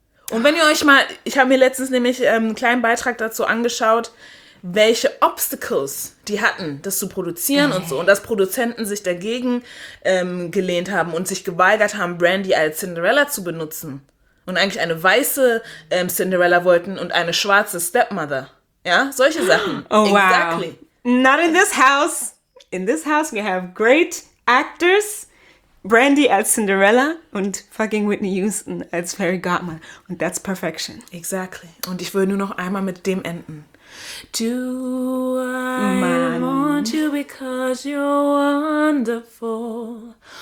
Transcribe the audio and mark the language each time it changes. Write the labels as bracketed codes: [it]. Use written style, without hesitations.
[de] Und wenn ihr euch mal, ich habe mir letztens nämlich einen kleinen Beitrag dazu angeschaut, welche Obstacles die hatten, das zu produzieren und so. Und dass Produzenten sich dagegen gelehnt haben und sich geweigert haben, Brandy als Cinderella zu benutzen. Und eigentlich eine weiße Cinderella wollten und eine schwarze Stepmother. Ja, solche Sachen. [en] Oh, exactly. Wow. Not in this house. In this house we have great actors. [de] Brandy als Cinderella und fucking Whitney Houston als Fairy Godmother. Und [en] that's perfection. Exactly. [de] Und ich will nur noch einmal mit dem enden. [en] Do I want you because you're wonderful?